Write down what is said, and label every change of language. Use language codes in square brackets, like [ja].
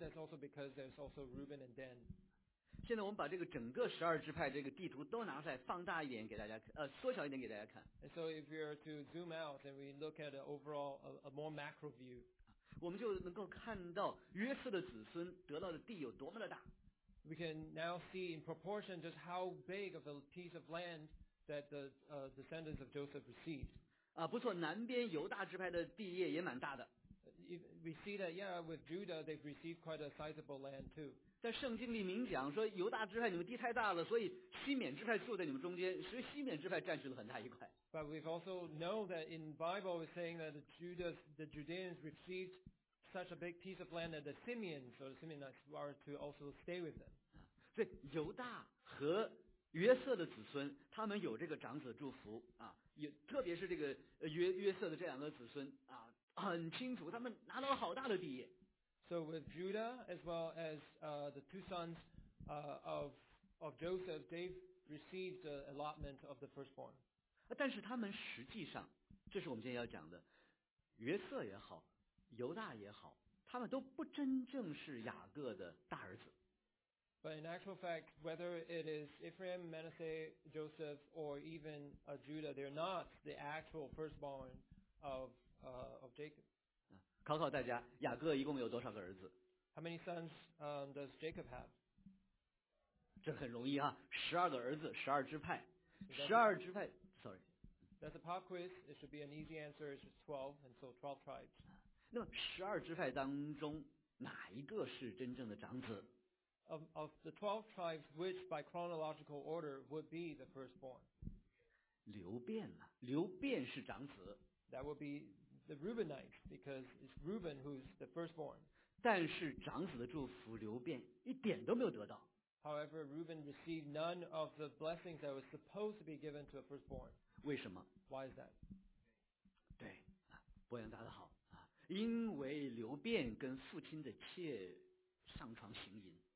[en] That's also because there's also Reuben and Dan. [zh] 现在我们把这个整个十二支派这个地图都拿出来，放大一点给大家，缩小一点给大家看。 [en] And so if we are to zoom out and we look at an overall a more macro view, [zh] 我们就能够看到约瑟的子孙得到的地有多么的大。 [en] We can now see in proportion just how big of a piece of land that the descendants of Joseph received. [zh] 啊，不错，南边犹大支派的地业也蛮大的。 [en] We see that, yeah, with Judah, they've received quite a sizable land too. [zh] 在圣经里明讲说，犹大支派你们地太大了，所以西缅支派住在你们中间，所以西缅支派占据了很大一块。 [en] But we've also know that in Bible it's saying that the Judeans received. Such a big piece of land that the Simeons or the Simeonites are to also stay with them. [zh] 所以犹大和约瑟的子孙，他们有这个长子祝福啊，也特别是这个约瑟的这两个子孙啊，很清楚，他们拿到了好大的地业。 [en] So with Judah as well as the two sons of Joseph, they've received the allotment of the firstborn. [zh] 但是他们实际上，这是我们今天要讲的，约瑟也好。犹大也好，他们都不真正是雅各的大儿子。 [en] But in actual fact, whether it is Ephraim, Manasseh, Joseph, or even Judah, they're not the actual firstborn of Jacob. [zh] 考考大家，雅各一共有多少个儿子 [en] ？How many sons does Jacob have？ [zh] 这很容易啊，十二个儿子，十二支派，十二支派。 [en] Sorry. That's a pop quiz. It should be an easy answer. It's just 12, and so 12 tribes. [zh] 那么十二支派当中哪一个是真正的长子 [en] ？Of the 12 tribes, which by chronological order would be the firstborn? [zh] 流便了，流便是长子。 [en] That would be the Reubenites because it's Reuben who's the firstborn. [zh] 但是长子的祝福，流便一点都没有得到。 [en] However, Reuben received none of the blessings that was supposed to be given to a firstborn. [zh] 为什么 [en] ？Why is that? [zh] 对，博洋答得好。因为流便跟父亲的妾上床行淫